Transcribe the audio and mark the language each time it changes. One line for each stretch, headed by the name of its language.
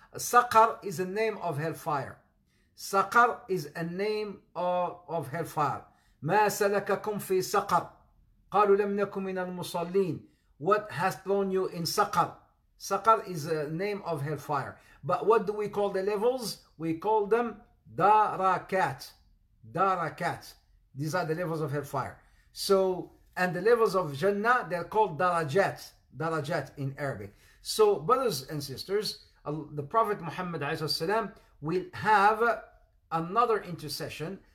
English: Saqar is a name of hellfire. Saqar is a name of hellfire.
Arabic: ما سلككم في سقر قالوا لم نكن من المصلين
English: What has thrown you in Saqar? Saqar is a name of hellfire. But what do we call the levels? We call them Darakat. Darakat. These are the levels of hellfire. So, and the levels of Jannah, they're called Darajat. Darajat in Arabic. So, brothers and sisters, the Prophet Muhammad ﷺ will have another intercession.